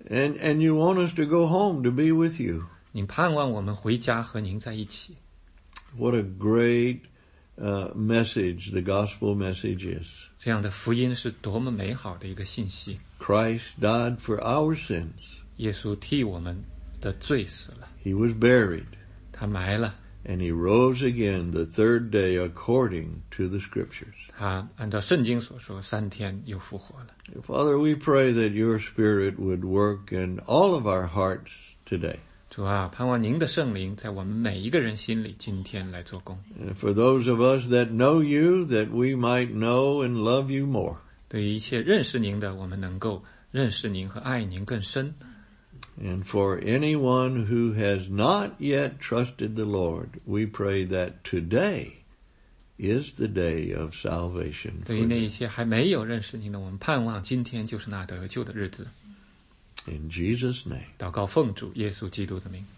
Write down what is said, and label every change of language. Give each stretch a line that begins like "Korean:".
English: And you want us to go home to be with you.
Chinese: 您盼望我们回家和您在一起。
English: What a great message the gospel message is.
Chinese: 这样的福音是多么美好的一个信息。
English: Christ died for our sins.
Chinese: 耶稣替我们的罪死了。
English: He was buried.
Chinese: 他埋了。
English: And he rose again the third day according to the scriptures.
Chinese: 他按照圣经所说，三天又复活了。
English: Father, we pray that your spirit would work in all of our hearts today.
Chinese: 主啊，盼望您的圣灵在我们每一个人心里今天来做工。
English: For those of us that know you, that we might know and love you more.
Chinese: 对于一切认识您的，我们能够认识您和爱您更深。
English: And for anyone who has not yet trusted the Lord, we pray that today is the day of salvation.
Chinese: 对于那些还没有认识您的，我们盼望今天就是那得救的日子。
English: In Jesus' name.
Chinese: 祷告奉主耶稣基督的名。